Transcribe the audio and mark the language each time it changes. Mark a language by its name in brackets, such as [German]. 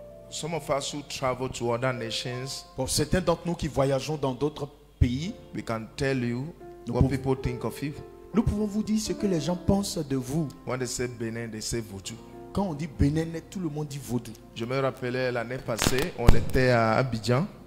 [English] Some of us who travel to other nations, [French] pour certains d'entre nous qui voyageons dans d'autres pays, [English] we can tell you what people think of you. [French] Nous pouvons vous dire ce que les gens pensent de vous. [English] When they say Benin, they say Vodou. [French] Quand on dit Benin, tout le monde dit Vodou. Je me rappelais l'année passée, on était à Abidjan.